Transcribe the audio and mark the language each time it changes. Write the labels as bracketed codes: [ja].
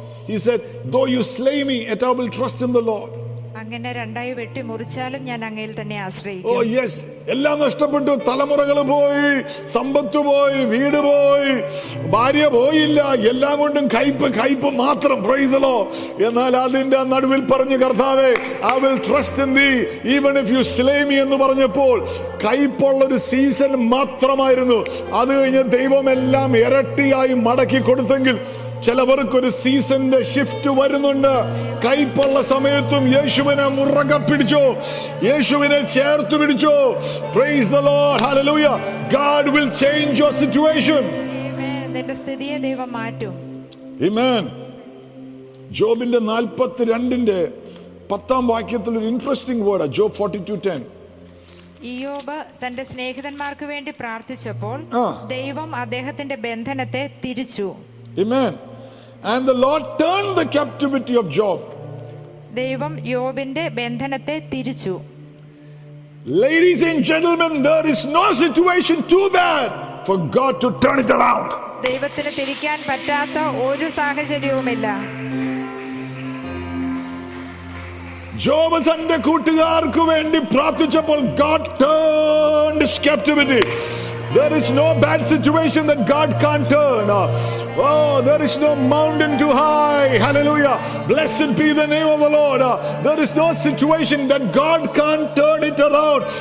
[en] He said, though you slay me, yet I will trust in the Lord. [ml] അങ്ങനെ രണ്ടായി വെട്ടി മുറിച്ചാലും ഞാൻ അങ്ങയിൽ തന്നെ ആശ്രയിക്കും. [en] oh yes, [ml] എല്ലാം നഷ്ടപ്പെട്ടു, തലമുറകൾ പോയി, സമ്പത്ത് പോയി, വീട് പോയി, ഭാര്യ പോയില്ല, എല്ലാം കൊണ്ടും കയ്പ് കയ്പ് മാത്രം. [en] Praise the Lord. [ml] എന്നാൽ അതിന്റെ നടുവിൽ പറഞ്ഞു, കർത്താവേ, [en] I will trust in thee even if you slay me [ml] എന്ന് പറഞ്ഞപ്പോൾ കയ്പുള്ളൊരു സീസൺ മാത്രമായിരുന്നു. അത് കഴിഞ്ഞ് ദൈവം എല്ലാം ഇരട്ടിയായി മടക്കി കൊടുത്തെങ്കിൽ ചിലവർക്കൊരു സീസന്റെ ഷിഫ്റ്റ് വരുന്നുണ്ട്. കയ്പുള്ള സമയത്തും യേശുവിനെ മുറുകെ പിടിച്ചോ, യേശുവിനെ ചേർത്ത് പിടിച്ചോ. [en] Praise the Lord, hallelujah. God will change your situation. [ml] നിന്റെ സ്ഥിതിയെ ദൈവം മാറ്റും. ആമേൻ. ജോബിന്റെ 42:10 ഒരു [en] Interesting word. [ml] ജോബ് 42:10. ഇയ്യോബ് തന്റെ സ്നേഹിതന്മാർക്ക് വേണ്ടി പ്രാർത്ഥിച്ചപ്പോൾ ദൈവം അദ്ദേഹത്തിന്റെ ബന്ധനത്തെ തിരിച്ചു. [en] Amen. And the Lord turned the captivity of Job. [ml] ദൈവം യോബിന്റെ ബന്ധനത്തെ തിരിച്ചു. [en] Ladies and gentlemen, there is no situation too bad for God to turn it around. [ml] ദൈവത്തിന് തിരിക്കാൻ പറ്റാത്ത ഒരു സാഹചര്യവുമില്ല. ജോബ് തന്റെ കൂട്ടുകാർക്ക് വേണ്ടി പ്രാർത്ഥിച്ചപ്പോൾ [en] God turned his captivity. There is no bad situation that God can't turn. Oh, there is no mountain too high. Hallelujah. Blessed be the name of the Lord. There is no situation that God can't turn it around.